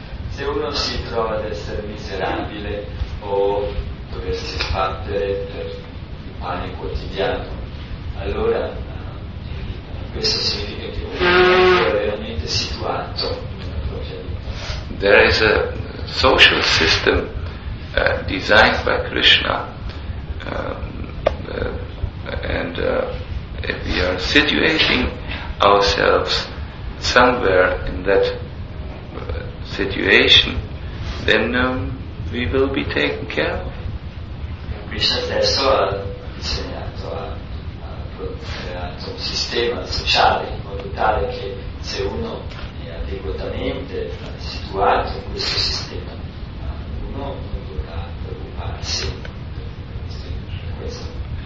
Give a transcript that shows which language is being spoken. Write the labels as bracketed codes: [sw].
[it] Se uno si trova ad essere miserabile o doversi sbattere per il pane quotidiano, allora questo significa che uno è veramente situato. [en] There is a social system designed by Krishna, and if we are situating ourselves somewhere in that situation, then we will be taken care of. [it] Krishna stesso ha disegnato un sistema sociale in modo tale che se uno adeguatamente situato in questo sistema, uno non dovrà preoccuparsi di questo.